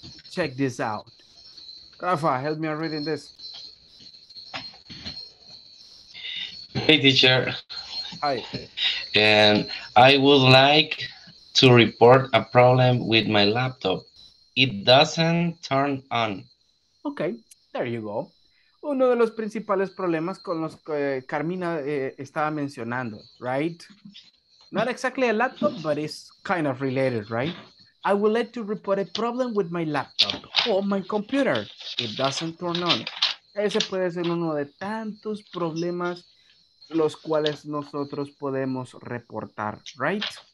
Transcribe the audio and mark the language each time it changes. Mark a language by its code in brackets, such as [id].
[en] Check this out. Rafa, help me reading this. Hey teacher. Hi. And I would like to report a problem with my laptop. It doesn't turn on. Okay, there you go. [es] Uno de los principales problemas con los que Carmina estaba mencionando, right? [en] Not exactly a laptop, but it's kind of related, right? I would like to report a problem with my laptop or my computer. It doesn't turn on. [es] Ese puede ser uno de tantos problemas los cuales nosotros podemos reportar, right?